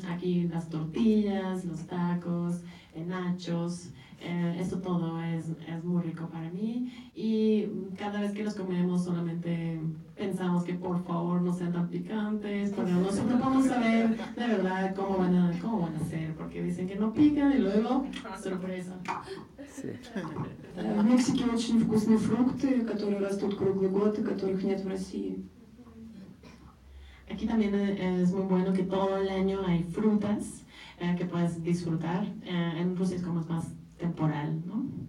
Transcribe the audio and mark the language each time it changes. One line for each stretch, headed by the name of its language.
Spanish: Aquí las tortillas, los tacos, nachos, eso todo es muy rico para mí. Y cada vez que los comemos solamente pensamos que por favor no sean tan picantes, pero nosotros vamos a ver de verdad cómo van a ser, porque dicen que no pican y luego, sorpresa.
Russian: В Мексике очень вкусные фрукты, которые растут круглый год и которых нет в России.
Spanish: Aquí también es muy bueno que todo el año hay frutas que puedes disfrutar. En Rusia es como más temporal, ¿no?